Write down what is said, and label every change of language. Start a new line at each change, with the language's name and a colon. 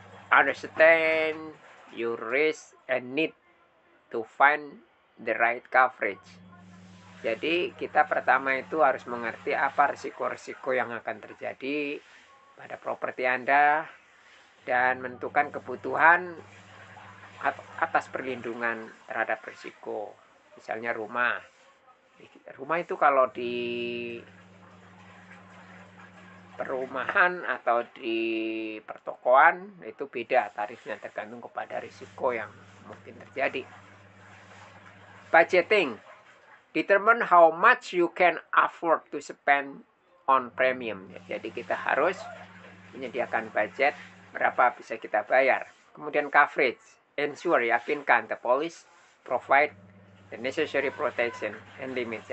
English: Understand your risk and need to find the right coverage.
Indonesian: Jadi kita pertama itu harus mengerti apa risiko-risiko yang akan terjadi pada properti Anda dan menentukan kebutuhan atas perlindungan terhadap risiko. Misalnya rumah. Rumah itu kalau di perumahan atau di pertokoan itu beda tarifnya tergantung kepada risiko yang mungkin terjadi. Budgeting.
English: Determine how much you can afford to spend on premium.
Indonesian: Jadi kita harus menyediakan budget berapa bisa kita bayar. Kemudian coverage.
English: Ensure,
Indonesian: yakinkan
English: the police provide the necessary protection and limits.